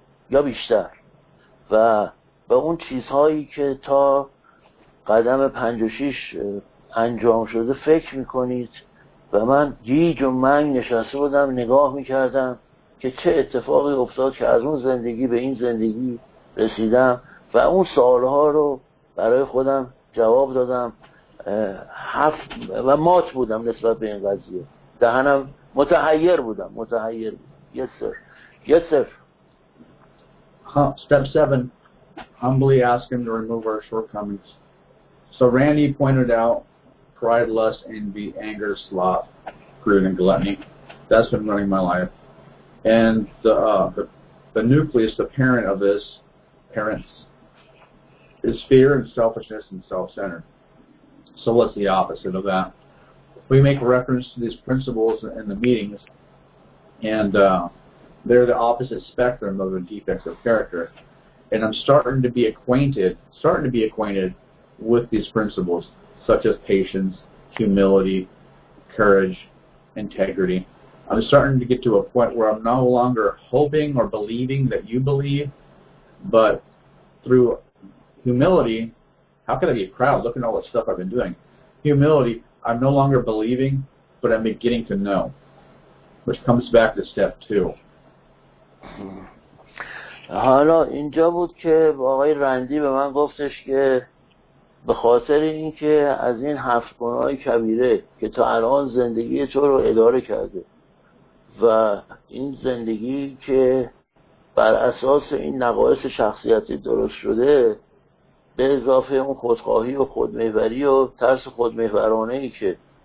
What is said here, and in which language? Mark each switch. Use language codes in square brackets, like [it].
[fa] یا بیشتر و به اون چیزهایی که تا قدم پنج و شیش انجام شده فکر میکنید و من گیج و منگ نشسته بودم نگاه میکردم که چه اتفاقی افتاد که از اون زندگی به این زندگی رسیدم و اون سوالها رو برای خودم جواب دادم هفت و مات بودم نسبت به این قضیه دهنم متحیر بودم [en] Yes سر Step 7, humbly ask him to remove our shortcomings. So Randy pointed out pride, lust, envy, anger, sloth, greed, and gluttony. That's been running my life. And the nucleus, the parent of this, parents, is fear and selfishness and self-centered. So what's the opposite of that? We make reference to these principles in the meetings, and they're the opposite spectrum of a defect of character. And I'm starting to be acquainted with these principles, such as patience, humility, courage, integrity. I'm starting to get to a point where I'm no longer hoping or believing that you believe, but through humility, how can I be proud? Look at all the stuff I've been doing. Humility, I'm no longer believing, but I'm beginning to know, which comes back to step 2. [fa] حالا اینجا بود که آقای رندی به من گفتش که به خاطر این که از این هفت گناه کبیره که تا الان زندگی تو رو اداره کرده و این زندگی که بر اساس این نقایص شخصیتی درست شده به اضافه اون خودخواهی و خودمحوری و ترس خودمحورانه ای که